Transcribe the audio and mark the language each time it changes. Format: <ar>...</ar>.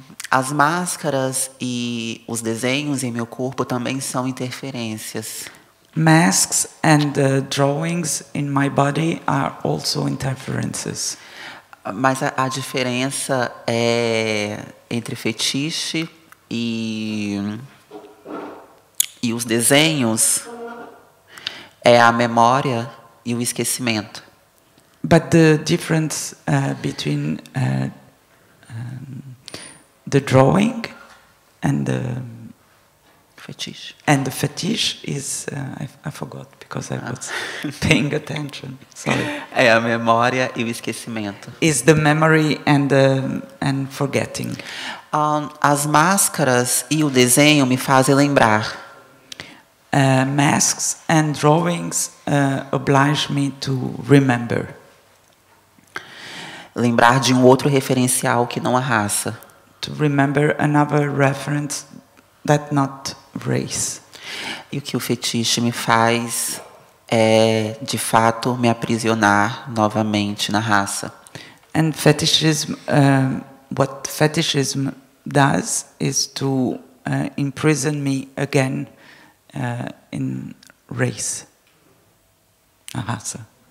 <pt>As máscaras e os desenhos em meu corpo também são interferências.</pt> <en>Masks and the drawings in my body are also interferences.</en> <pt>Mas a diferença é entre fetiche e os desenhos é a memória e o esquecimento.</pt> <en>But the difference between the drawing and the fetish. And the fetish is I forgot because I was paying attention. Sorry.</en> <pt>É a memória e o esquecimento.</pt> <en>Is the memory and forgetting.</en> <pt>As máscaras e o desenho me fazem lembrar.</pt> <en>Masks and drawings oblige me to remember.</en> <pt>Lembrar de um outro referencial que não a raça.</pt> <en>To remember another reference that not race.</en> <pt>E o que o fetiche me faz é, de fato, me aprisionar novamente na raça.</pt> <en>And fetishism, what fetishism does is to imprison me again in race,</en> <pt>na raça.</pt>